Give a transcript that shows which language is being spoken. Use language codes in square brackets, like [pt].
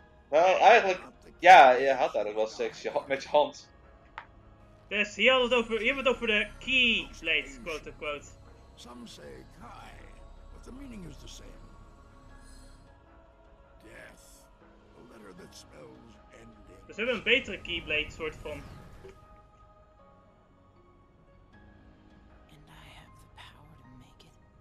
[nl] Nou, eigenlijk, ja, je had eigenlijk wel seks met je hand. Dus, hier hadden we het over de keyblade, [en] quote unquote. Some say Kai, but the meaning is the same. Death, a letter that spells ending. [nl] Dus we hebben een betere keyblade, soort van. [en] And I have the power to make it.